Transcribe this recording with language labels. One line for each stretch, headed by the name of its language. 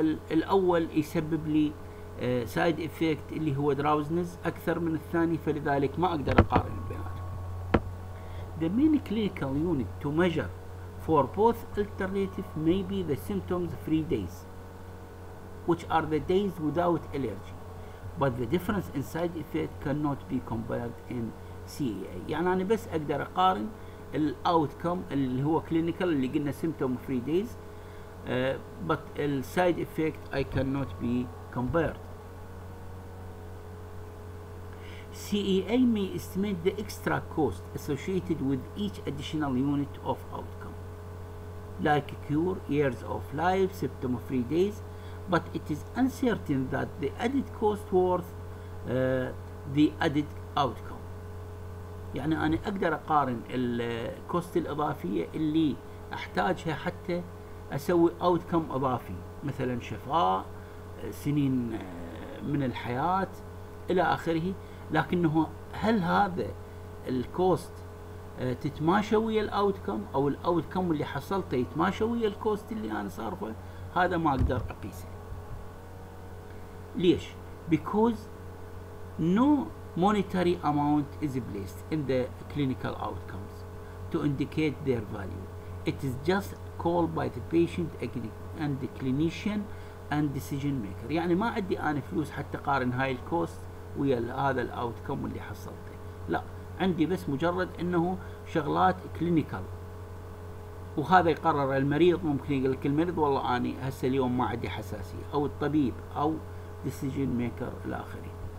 Arabic: الاول يسبب لي سايد افكت اللي هو دراوزنس اكثر من الثاني، فلذلك ما اقدر اقارن بيناتهم.
English: The main clinical unit to measure for both alternative may be the symptoms free days which are the days without allergy but the difference in side effect cannot be compared in CEA.
Arabic: يعني انا بس اقدر اقارن الاوتكم اللي هو
English: clinical
Arabic: اللي قلنا
English: symptom free days but the side effect I cannot be compared. CEA may estimate the extra cost associated with each additional unit of outcome, like cure, years of life, symptom-free days, but it is uncertain that the added cost worth the added outcome.
Arabic: يعني أنا أقدر أقارن الكوست الإضافية اللي أحتاجها حتى أسوي outcome إضافي، مثلا شفاء، سنين من الحياة إلى آخره، لكنه هل هذا الكوست تتماشى ويا الاوتكم او الاوتكم اللي حصلته يتماشى ويا الكوست اللي انا صارفه؟ هذا ما اقدر اقيسه.
English: ليش؟ because no monetary amount is placed in the clinical outcomes to indicate their value. It is just called by the patient and the clinician and decision maker.
Arabic: يعني ما عندي انا فلوس حتى اقارن هاي الكوست ويا هذا الاوتكم اللي حصلته، لا، عندي بس مجرد انه شغلات كلينيكال، وهذا يقرر المريض. ممكن يقول لك المريض والله اني هسه اليوم ما عندي حساسيه، او الطبيب او ديسيجن ميكر الاخرين.